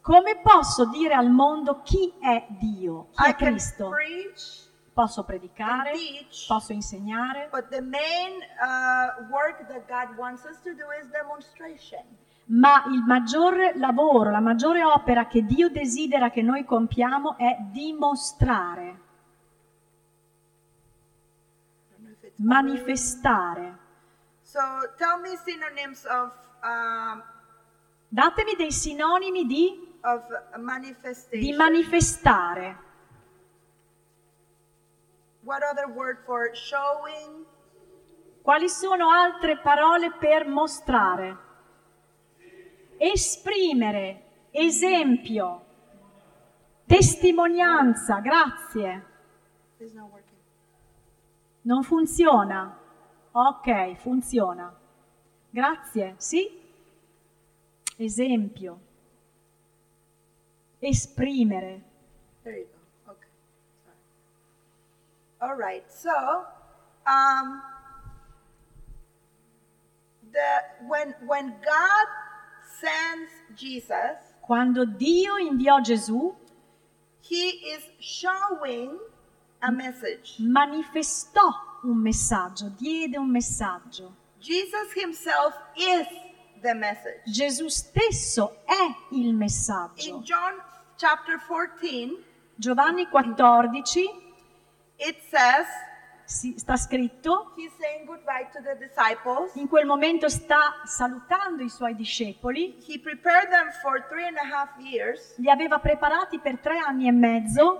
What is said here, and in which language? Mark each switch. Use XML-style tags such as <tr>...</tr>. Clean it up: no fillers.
<it>Come posso dire al mondo chi è Dio, chi è Cristo?</it> <en>I can preach.</en> <it>Posso predicare, posso insegnare.</it> <en>But the main work that God wants us to do is demonstration.</en> <it>Ma il maggior lavoro, la maggiore opera che Dio desidera che noi compiamo è dimostrare. Manifestare.</it> <en>So tell me synonyms of</en> <it>datemi dei sinonimi di</it> <en>of manifestation.</en> <it>Di manifestare.</it> <en>What other word for showing?</en> <it>Quali sono altre parole per mostrare? Esprimere, esempio, testimonianza, grazie.</it> <en>It's not working.</en> <it>Non funziona. Ok, funziona. Grazie, sì? Esempio. Esprimere.</it> <en>There you go. Okay. Sorry. All right. So, when God sends Jesus,</en> <it>quando Dio inviò Gesù,</it> <en>he is showing a message.</en> <it>Manifestò un messaggio, diede un messaggio.</it> <en>Jesus himself is the message.</en> <it>Gesù stesso è il messaggio.</it> <en>In John chapter 14,</en> <it>Giovanni 14,</it> <en>it says,</en> <it>sta scritto,</it> <en>he's saying goodbye to the disciples.</en> <it>In quel momento sta salutando i suoi discepoli.</it> <en>He prepared them for 3.5 years.</en> <it>Li aveva preparati per 3 anni e mezzo.</it>